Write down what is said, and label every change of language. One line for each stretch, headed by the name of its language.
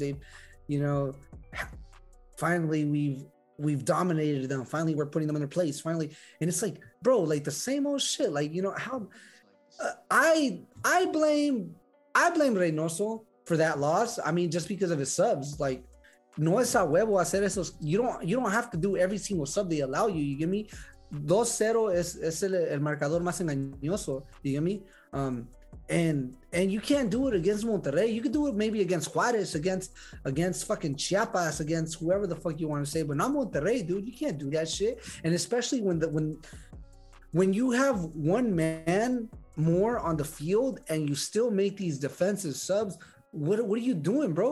English: They've, you know, finally we've dominated them. Finally, we're putting them in their place. Finally. And it's like, bro, like the same old shit. Like, you know, how I blame Reynoso for that loss. I mean, just because of his subs.
Spanish: Like, no es a huevo hacer esos.
English: You don't have to do every single sub they allow you. You get me?
Spanish: 2-0 es el marcador más engañoso.
English: You get me? And you can't do it against Monterrey. You could do it maybe against Juarez, against fucking Chiapas, against whoever the fuck you want to say. But not Monterrey, dude. You can't do that shit. And especially when when you have one man more on the field and you still make these defensive subs, what are you doing, bro?